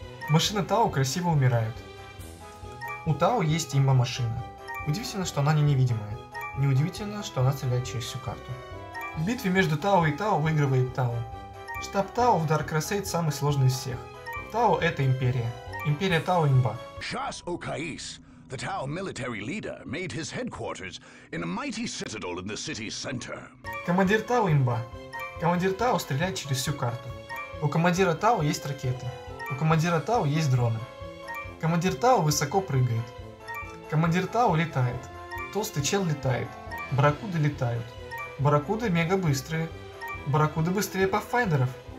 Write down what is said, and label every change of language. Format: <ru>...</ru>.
<ru>Машины Тао красиво умирают. У Тао есть имба-машина. Удивительно, что она не невидимая. Неудивительно, что она стреляет через всю карту. В битве между Тао и Тао выигрывает Тао. Штаб Тао в Dark Crusade самый сложный из всех. Тао — это империя. Империя Тао имба.</ru> <en>Shas Oka Is, the Tao military leader, made his headquarters in a mighty citadel in the city's center.</en> <ru>Командир Тао имба. Командир Тао стреляет через всю карту. У командира Тао есть ракеты. У командира Тао есть дроны. Командир Тао высоко прыгает. Командир Тао летает. Толстый чел летает. Барракуды летают. Барракуды мега быстрые. Барракуды быстрее пафайндеров.</ru>